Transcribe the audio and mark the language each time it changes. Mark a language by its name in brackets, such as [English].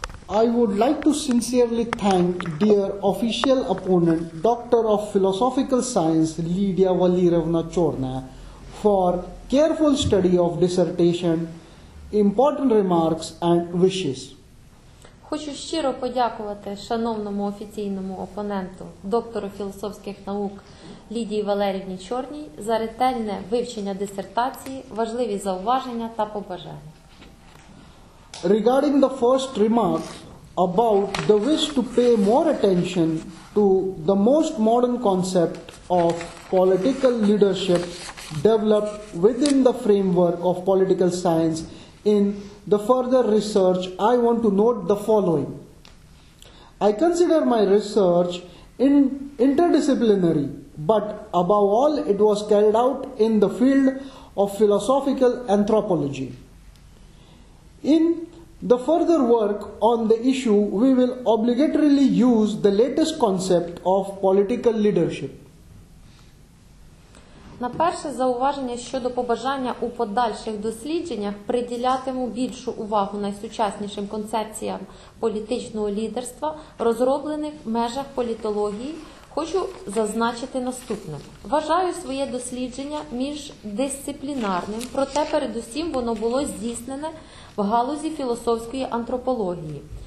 [English] I would like to sincerely thank dear official opponent, Doctor of Philosophical Science, Lidia Valerievna Chorna, for careful study of dissertation, important remarks and wishes. [Ukrainian] Хочу щиро подякувати шановному офіційному опоненту, доктору філософських наук Лідії Валеріївні Чорній за ретельне вивчення дисертації, важливі зауваження та побажання. [English] Regarding the first remark about the wish to pay more attention to the most modern concept of political leadership developed within the framework of political science in the further research, I want to note the following. I consider my research interdisciplinary, but above all, it was carried out in the field of philosophical anthropology. In the further work on the issue, we will obligatorily use the latest concept of political leadership. [Ukrainian] На перше зауваження щодо побажання у подальших дослідженнях приділятиму більшу увагу найсучаснішим концепціям політичного лідерства, розроблених в межах політології, хочу зазначити наступне. Вважаю своє дослідження міждисциплінарним, проте передусім воно було здійснене в галузі філософської антропології.